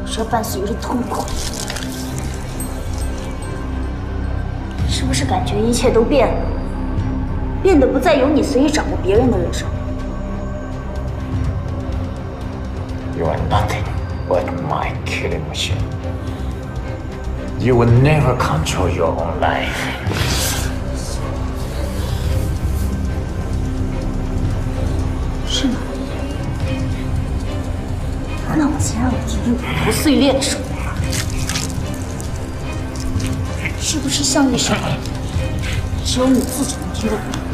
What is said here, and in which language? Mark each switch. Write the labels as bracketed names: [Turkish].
[Chinese] 伴随着痛苦，是不是感觉一切都变了，变得不再由你随意掌握别人的人生？ [English] You are nothing but my killing machine. You will never control your own life. [Chinese] 是吗？那我先让我听听骨头碎裂的声音，是不是像那声只有你自己能听得懂？